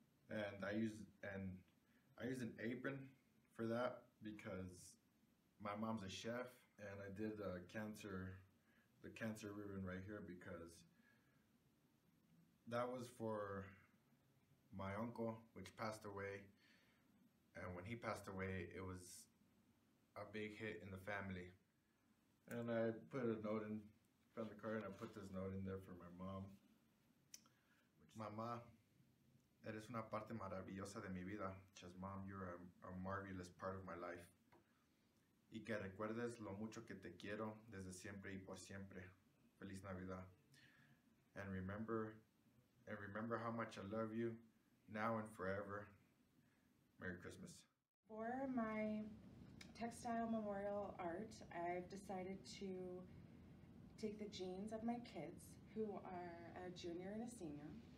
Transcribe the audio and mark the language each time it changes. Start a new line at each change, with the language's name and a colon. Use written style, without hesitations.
English: And I used an apron for that because my mom's a chef, and I did the cancer ribbon right here because that was for my uncle, which passed away. And when he passed away, it was a big hit in the family. And I put a note in, found the card, and I put this note in there for my mom.
Spanish: Mama, eres una parte maravillosa de mi vida.
English: Just mom, you're a marvelous part of my life.
Spanish: Y que recuerdes lo mucho que te quiero desde siempre y por siempre. Feliz Navidad.
English: And remember how much I love you now and forever. Merry Christmas. For my textile memorial art, I've decided to take the jeans of my kids, who are a junior and a senior.